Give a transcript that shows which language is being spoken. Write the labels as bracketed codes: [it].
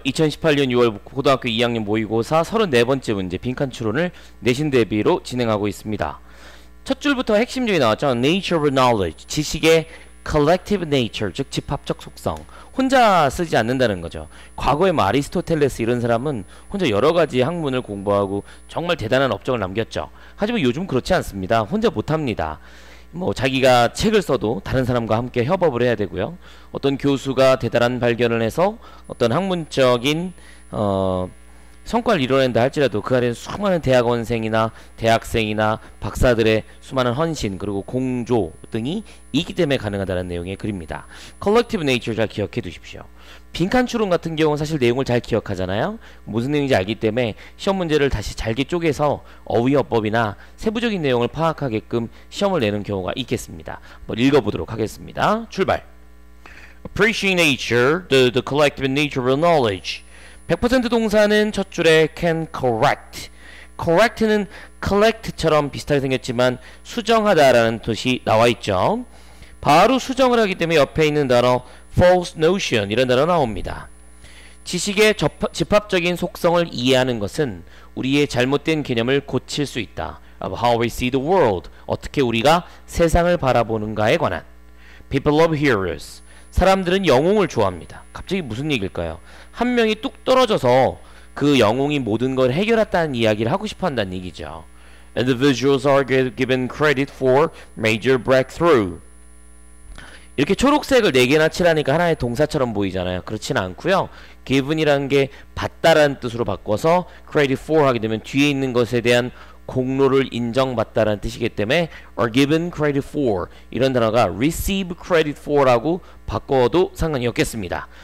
[ko] 2018년 6월 고등학교 2학년 모의고사 34번째 문제 빈칸 추론을 내신 대비로 진행하고 있습니다. 첫 줄부터 핵심적이 나왔죠. [en] Nature of knowledge, [ko] 지식의 collective nature, 즉 집합적 속성. 혼자 쓰지 않는다는 거죠. 과거에 뭐 아리스토텔레스 이런 사람은 혼자 여러 가지 학문을 공부하고 정말 대단한 업적을 남겼죠. 하지만 요즘 그렇지 않습니다. 혼자 못합니다. 뭐 자기가 책을 써도 다른 사람과 함께 협업을 해야 되고요. 어떤 교수가 대단한 발견을 해서 어떤 학문적인 성과를 이뤄낸다 할지라도 그 아래는 수많은 대학원생이나 대학생이나 박사들의 수많은 헌신 그리고 공조 등이 있기 때문에 가능하다는 내용의 글입니다. Collective nature 잘 기억해 두십시오. 빈칸 추론 같은 경우는 사실 내용을 잘 기억하잖아요. 무슨 내용인지 알기 때문에 시험 문제를 다시 잘게 쪼개서 어휘어법이나 세부적인 내용을 파악하게끔 시험을 내는 경우가 있겠습니다. 한번 읽어보도록 하겠습니다. 출발! [en] Appreciate nature, the collective nature of knowledge. [ko] 100% 동사는 첫 줄에 can correct. correct는 collect처럼 비슷하게 생겼지만 수정하다라는 뜻이 나와있죠. 바로 수정을 하기 때문에 옆에 있는 단어 false notion 이런 단어 나옵니다. 지식의 집합적인 속성을 이해하는 것은 우리의 잘못된 개념을 고칠 수 있다. [en] of how we see the world, [ko] 어떻게 우리가 세상을 바라보는가에 관한. [en] people love heroes, [ko] 사람들은 영웅을 좋아합니다. 갑자기 무슨 얘기일까요? 한 명이 뚝 떨어져서 그 영웅이 모든 걸 해결했다는 이야기를 하고 싶어 한다는 얘기죠. [en] individuals are given credit for major breakthrough. [ko] 이렇게 초록색을 4개나 칠하니까 하나의 동사처럼 보이잖아요. 그렇진 않고요. given이라는 게 받다라는 뜻으로 바꿔서 credit for 하게 되면 뒤에 있는 것에 대한 공로를 인정받다라는 뜻이기 때문에 [en] are given credit for [ko] 이런 단어가 [en] receive credit for [ko] 라고 바꿔도 상관이 없겠습니다.